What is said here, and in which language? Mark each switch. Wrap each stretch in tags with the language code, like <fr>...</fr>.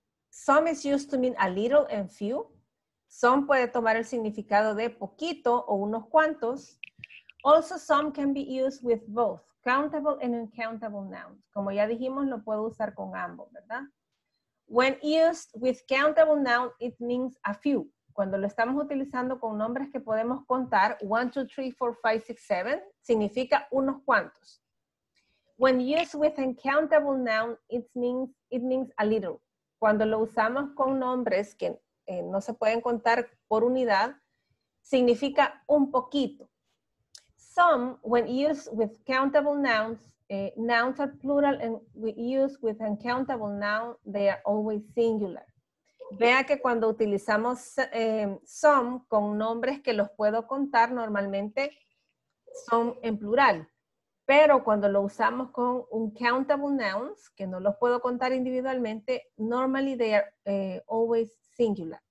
<en>Some is used to mean a little and few.</en> <es>Some puede tomar el significado de poquito o unos cuantos.</es> <en>Also, some can be used with both, countable and uncountable nouns.</en> <es>Como ya dijimos, lo puedo usar con ambos, ¿verdad?</es> <en>When used with countable nouns, it means a few.</en> <es>Cuando lo estamos utilizando con nombres que podemos contar, 1, 2, 3, 4, 5, 6, 7, significa unos cuantos.</es> <en>When used with uncountable noun, it means a little.</en> <es>Cuando lo usamos con nombres que no se pueden contar por unidad, significa un poquito.</es> <en>Some, when used with countable nouns, nouns are plural, and used with uncountable noun, they are always singular.</en> <es>Vea que cuando utilizamos some con nombres que los puedo contar, normalmente son en plural. Pero cuando lo usamos con</es> <en>uncountable nouns,</en> <es>que no los puedo contar individualmente,</es> <en>normally they are always singular.</en>